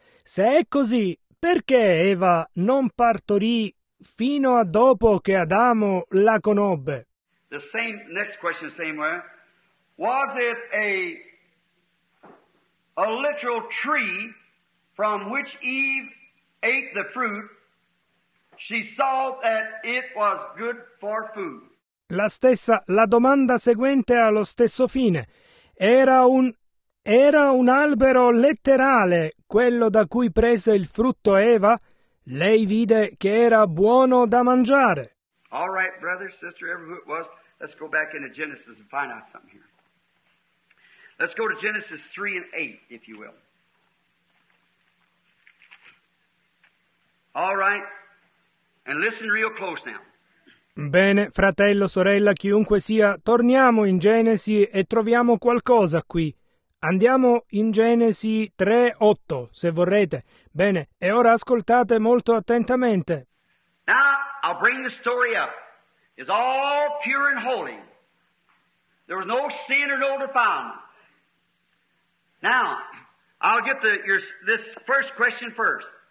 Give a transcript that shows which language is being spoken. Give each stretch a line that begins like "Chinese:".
Italian: Se è così, perché Eva non partorì fino a dopo che Adamo la conobbe?
English: The same next question, same way. Was it a literal tree from which Eve ate the fruit? She saw that it was good for food.
Italian: La domanda seguente ha lo stesso fine. Era un albero letterale quello da cui prese il frutto Eva? Lei vide che era buono da mangiare.
English: All right, brother, sister, whoever it was, let's go back into Genesis and find out something here. Let's go to Genesis 3 and 8, if you will. All right, and listen real close now.
Italian: Bene, fratello, sorella, chiunque sia, torniamo in Genesi e troviamo qualcosa qui. Andiamo in Genesi 3:8, se vorrete. Bene, e ora ascoltate molto attentamente.
English: Now, I'll bring the story up. It's all pure and holy. There was no sin or no defilement. Now, I'll get this first question first.